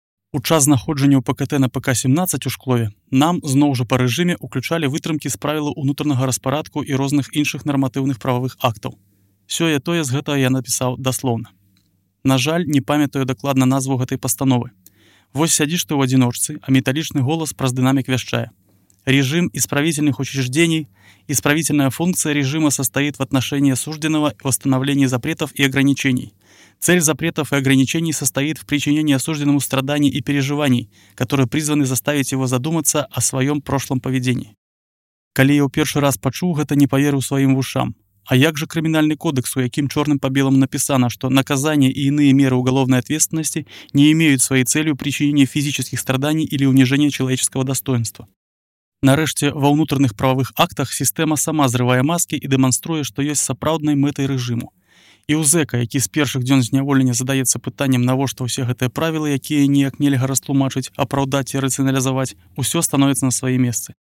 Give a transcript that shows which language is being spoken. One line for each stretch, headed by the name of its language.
Belarusian: У час знаходжання ў ПКТ на ПК-17 у Шклове нам, зноў жа па рэжыме, уключалі вытрымкі з правілаў унутранага распарадку і розных іншых нарматыўных прававых актаў. Сёе-тое з гэтага я напісаў даслоўна. На жаль, не памятаю дакладна назву гэтай пастановы. Вось сядзіш ты ў адзіночцы, а металічны голас праз дынамік вяшчае.
Russian: Режим исправительных учреждений. Исправительная функция режима состоит в отношении осужденного и восстановлении запретов и ограничений. Цель запретов и ограничений состоит в причинении осужденному страданий и переживаний, которые призваны заставить его задуматься о своем прошлом поведении.
Belarusian: Калі я ў першы раз пачуў гэта,
Russian: не поверил своим ушам. А як же криминальный кодекс, у яким чёрным по белому написано, что наказание и иные меры уголовной ответственности не имеют своей целью причинение физических страданий или унижения человеческого достоинства?
Belarusian: Нарэшце, ва ўнутраных прававых актах сістэма сама зрывае маскі і дэманструе, што ёсць сапраўднай мэтай рэжыму. І ў зэка, які з першых дзён зняволення задаецца пытаннем, навошта ўсе гэтыя правілы, якія ніяк нельга растлумачыць, апраўдаць і рацыяналізаваць, усё становіцца на свае месцы.